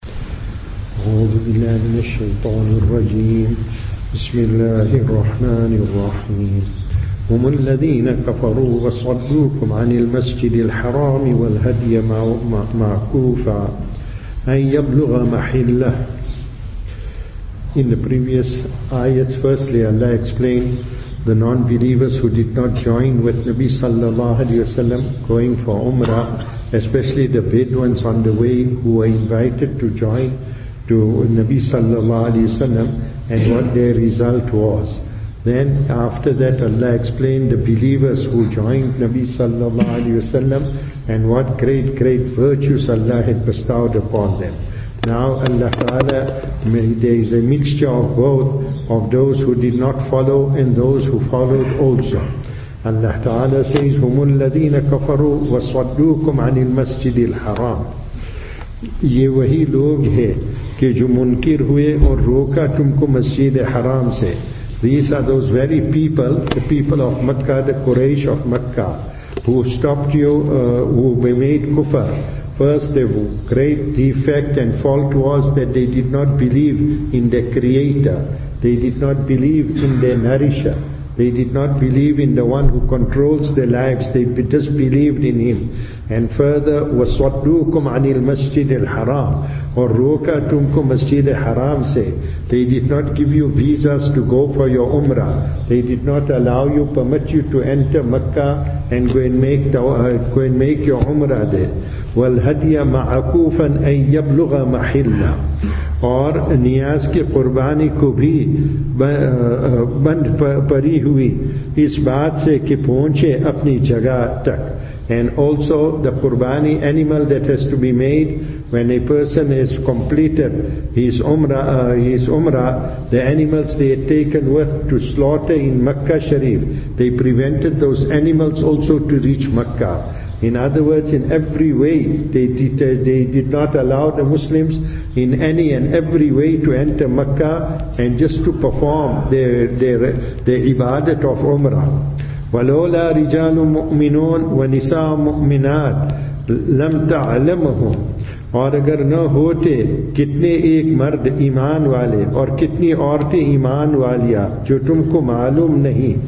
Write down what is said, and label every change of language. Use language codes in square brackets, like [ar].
[ar] أعوذ بالله من الشيطان الرجيم. بسم الله الرحمن الرحيم. هم الذين كفروا وصدوكم عن المسجد الحرام والهدي معكوفا أن يبلغ محله. [en] In the previous ayats, firstly Allah explained the non-believers who did not join with Nabi sallallahu alayhi wasallam going for Umrah, especially the Bedouins on the way who were invited to join to Nabi sallallahu alayhi wasallam, and what their result was. Then after that Allah explained the believers who joined Nabi sallallahu alayhi wasallam and what great virtues Allah had bestowed upon them. Now Allah Ta'ala, there is a mixture of both, of those who did not follow and those who followed also. Allah Ta'ala says, [ar] هُمُ الَّذِينَ كَفَرُوا وَصَدُّوكُمْ عَنِ الْمَسْجِدِ الْحَرَامِ. [ur] یہ وہی لوگ ہیں کہ جو منکر ہوئے اور روکا تم کو مسجد حرام سے. [en] These are those very people, the people of Makkah, the Quraysh of Makkah, who stopped you, who made kufr. First, the great defect and fault was that they did not believe in their creator. They did not believe in their nourisher. They did not believe in the one who controls their lives. They disbelieved in him. And further, [ar] وَصَدُّوكُمْ عَنِ الْمَسْجِدِ الْحَرَامِ وَرُوكَ تُمْكُمْ مَسْجِدِ الْحَرَامِ سَيْ. [en] They did not give you visas to go for your Umrah. They did not allow you, permit you to enter Makkah and go and make your Umrah there. [ar] وَالْهَدْيَ مَعَكُوفًا أَن يَبْلُغَ مَحِلَّا. [ur] اور نیاز کے قربانی کو بھی بند پری ہوئی اس بات سے کہ پہنچے اپنی جگہ تک. [en] And also the qurbani animal that has to be made when a person has completed his umrah, the animals they had taken with to slaughter in Makkah Sharif, they prevented those animals also to reach Makkah. In other words, in every way they did not allow the Muslims in any and every way to enter Makkah and just to perform their ibadat of umrah. [ar] ولولا رجال مؤمنون ونساء مؤمنات لم تعلمهم. [ur] اور اگر نہ ہوتے کتنے ایک مرد ایمان والے اور کتنی عورتیں ایمان والیاں جو تم کو معلوم نہیں.